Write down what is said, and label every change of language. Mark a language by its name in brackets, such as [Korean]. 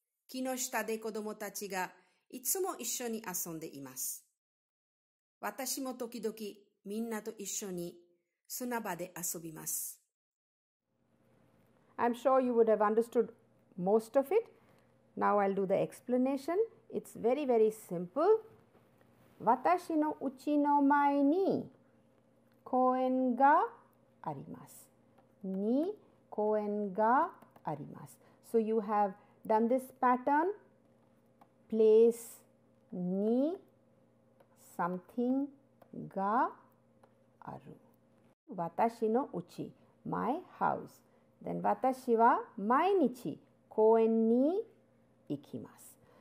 [Japanese] 木の下で子供たちがいつも一緒に遊んでいます。私も時々みんなと一緒に砂場で遊びます。 [English] I'm sure you would have understood most of it. Now I'll do the explanation. It's very, very simple. [Japanese] 私の家の前に公園があります。に公園があります。 [English] So you have done this pattern, place ni something [Japanese] ga aru. Watashi no uchi, [English] my house. Then [Japanese] watashi wa mainichi koen ni ikimasu.